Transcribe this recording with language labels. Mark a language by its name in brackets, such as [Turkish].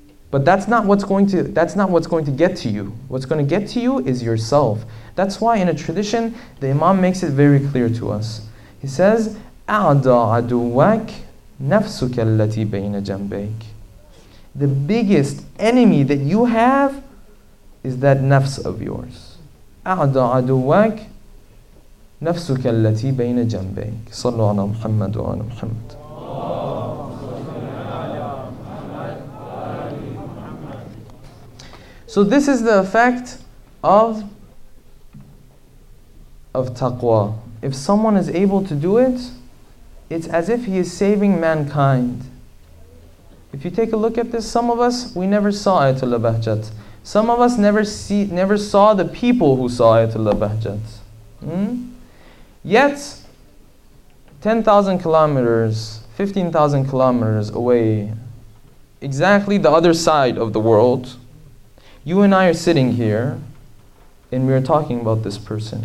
[English] But that's not what's going to get to you. What's going to get to you is yourself. That's why in a tradition, the Imam makes it very clear to us. He says, [Arabic] أَعْدَى عَدُوَّكْ نَفْسُكَ الَّتِي بَيْنَ جَنْبَيْكَ [English] The biggest enemy that you have is that nafs of yours. [Arabic] أعدى عدوك نفسك التي بين جنبيك صلوا على محمد وعلى محمد [English] So this is the effect of taqwa. If someone is able to do it, it's as if he is saving mankind. If you take a look at this, some of us, we never saw Ayatollah Bahjat. Some of us never saw the people who saw Ayatollah Bahjat. Yet, 10,000 kilometers, 15,000 kilometers away, exactly the other side of the world, you and I are sitting here, and we are talking about this person.